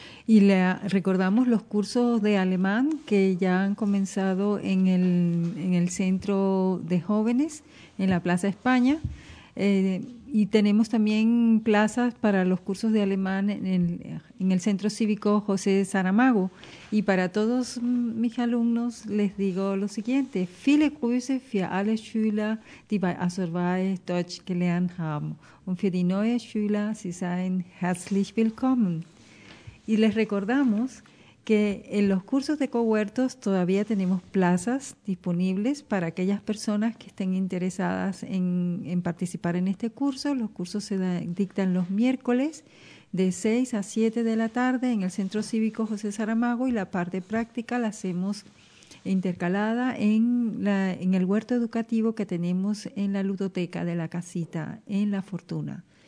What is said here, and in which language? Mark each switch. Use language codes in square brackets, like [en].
[es] Y le recordamos los cursos de alemán que ya han comenzado en el Centro de Jóvenes, en la Plaza España. Y tenemos también plazas para los cursos de alemán en el Centro Cívico José Saramago. Y para todos mis alumnos les digo lo siguiente: [de] Viele Grüße für alle Schüler, die bei Azorbae Deutsch gelernt haben. Und für die neuen Schüler, Sie seien herzlich willkommen. [es] Y les recordamos que en los cursos de cohuertos todavía tenemos plazas disponibles para aquellas personas que estén interesadas en participar en este curso. Los cursos se dictan los miércoles de 6 a 7 de la tarde en el Centro Cívico José Saramago, y la parte práctica la hacemos intercalada en el huerto educativo que tenemos en la ludoteca de la casita en La Fortuna.